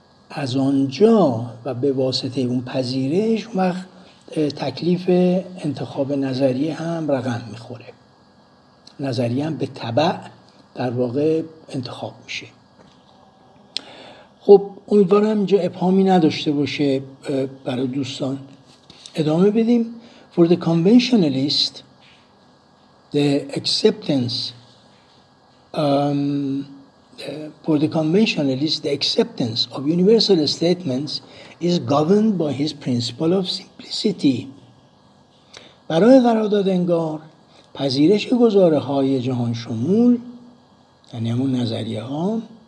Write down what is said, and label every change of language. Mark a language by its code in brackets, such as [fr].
[fa] از آنجا و به واسطه اون پذیرش وقت تکلیف انتخاب نظریه هم رقم میخوره، نظریه هم به تبع در واقع انتخاب میشه. خب امیدوارم اینجا ابهامی نداشته باشه برای دوستان. ادامه بدیم. [en] For the conventionalist, the acceptance of universal statements is governed by his principle of simplicity. [fa] برای قرارداد انگار، پذیرش گزاره‌های جهان شمول، یعنی همون نظریه ها،